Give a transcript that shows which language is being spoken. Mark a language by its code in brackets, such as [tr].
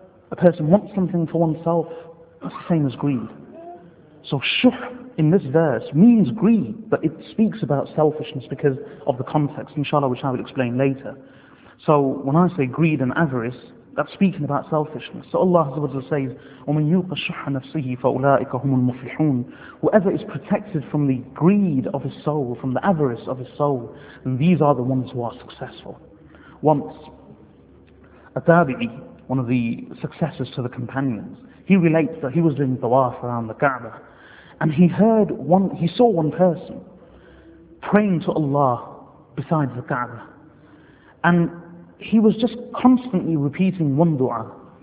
[en] A person wants something for oneself, that's the same as greed. So shuh in this verse means greed, but it speaks about selfishness because of the context, inshallah, which I will explain later. So when I say greed and avarice, that's speaking about selfishness. So Allah says, [ar] وَمَنْ يُوقَ شُحَّ نَفْسِهِ فَأُولَٰئِكَ هُمُ الْمُفْلِحُونَ. [en] Whoever is protected from the greed of his soul, from the avarice of his soul, then these are the ones who are successful. Once, a tabi'i, one of the successors to the companions, he relates that he was doing tawaf around the Kaaba, and he saw one person praying to Allah beside the Kaaba, and he was just constantly repeating one dua.